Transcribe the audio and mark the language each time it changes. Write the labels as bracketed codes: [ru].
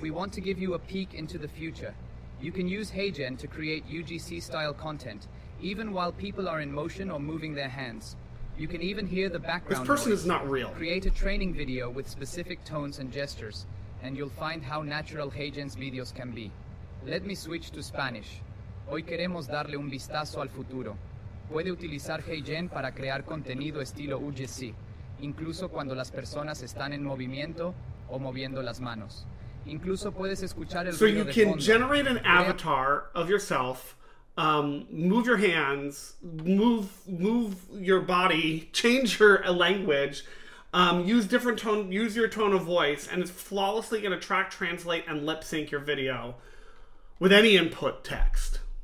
[en] We want to give you a peek into the future. You can use Haen to create UGC-style content, even while people are in motion or moving their hands. You can even hear the background. This person noise. Is not real. Create a training video with specific tones and gestures, and you'll find how natural Haen's videos can be. Let me switch to Spanish. [es] Hoy queremos darle un vistazo al futuro. Puede utilizar Haen para crear contenido estilo UGC, incluso cuando las personas están en movimiento o moviendo las manos. Incluso puedes escuchar el ruido de fondo. [en] So you can generate an avatar of yourself, move your hands, move your body, change your language, use different tone, use your tone of voice, and it's flawlessly going to track, translate, and lip sync your video with any input text.